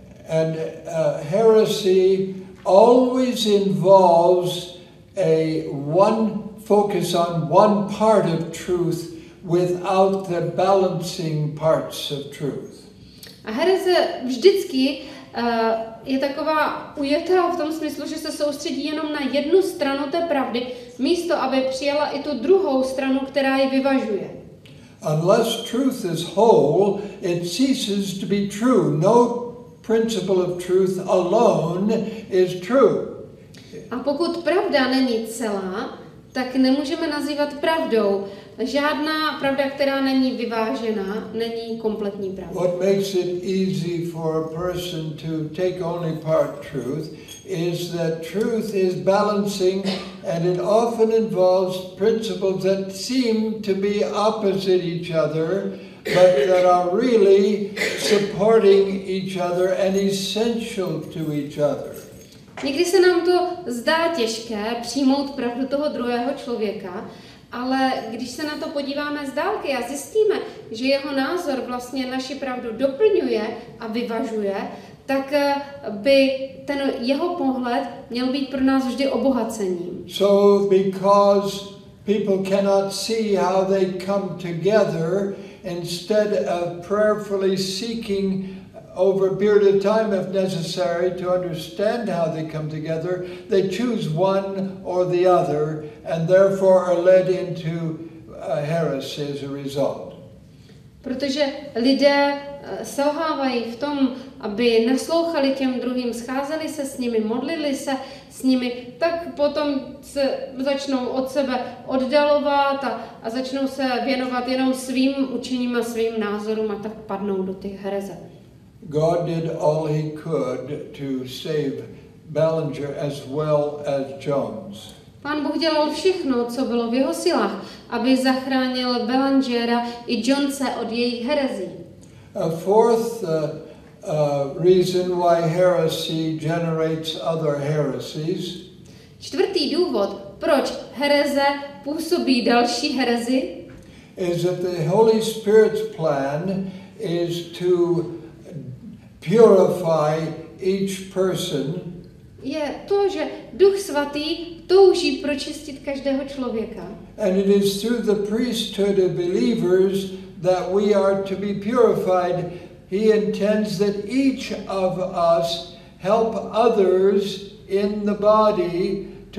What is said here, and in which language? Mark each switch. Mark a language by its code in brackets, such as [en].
[en] And heresy always involves a one focus on one part of truth without the balancing parts of truth. [cs] A hereze vždycky je taková ujetá v tom smyslu, že se soustředí jenom na jednu stranu té pravdy, místo aby přijala i tu druhou stranu, která ji vyvažuje. [en] Unless truth is whole, it ceases to be true. No principle of truth alone is true. [cs] A pokud pravda není celá, tak nemůžeme nazývat pravdou. Žádná pravda, která není vyvážená, není kompletní pravda. [en] What makes it easy for a person to take only part truth is that truth is balancing and it often involves principles that seem to be opposite each other, but that are really supporting each other and essential to each other. [cs] Někdy se nám to zdá těžké přijmout pravdu toho druhého člověka, ale když se na to podíváme z dálky a zjistíme, že jeho názor vlastně naši pravdu doplňuje a vyvažuje, tak by ten jeho pohled měl být pro nás vždy obohacením. [en] So because people cannot see how they come together, instead of prayerfully seeking over a period of time if necessary to understand how they come together, they choose one or the other and therefore are led into a heresy as a result. [cs] Protože lidé selhávají v tom, aby naslouchali těm druhým, scházeli se s nimi, modlili se s nimi, tak potom se začnou od sebe oddalovat a začnou se věnovat jenom svým učením a svým názorům a tak padnou do těch hereze. [en] God did all he could to save Ballinger as well as Jones. [cs] Pán Bůh dělal všechno, co bylo v jeho silách, aby zachránil Ballingera i Jonesa od jejich herezí. [en] A fourth reason why heresy generates other heresies. [cs] Čtvrtý důvod, proč hereze působí další herezi, [en] is that the Holy Spirit's plan is to purify each person. [cs] Je to, že Duch svatý touží pročistit každého člověka. [en] And it is through the priesthood of believers that we are to be purified. He intends that each of us help others in the body to